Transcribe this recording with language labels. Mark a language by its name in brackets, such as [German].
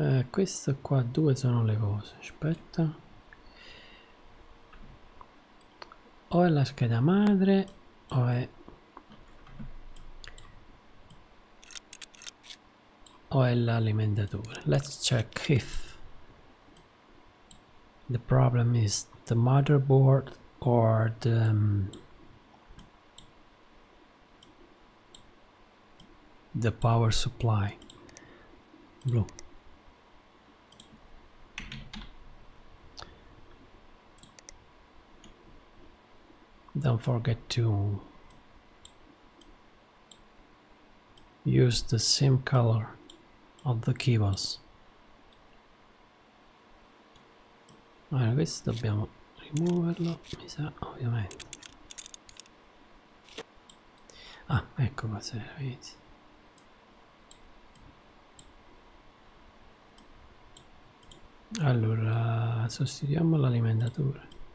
[Italian] questo qua, due sono le cose, aspetta, o è la scheda madre o è l'alimentatore. [English] Let's check if the problem is the motherboard or the power supply. Blue. Don't forget to use the same color of the keyboards. [Italian] Allora, questo dobbiamo rimuoverlo, mi sa, ovviamente. Ah, ecco qua, se vedi. Allora, sostituiamo l'alimentatore.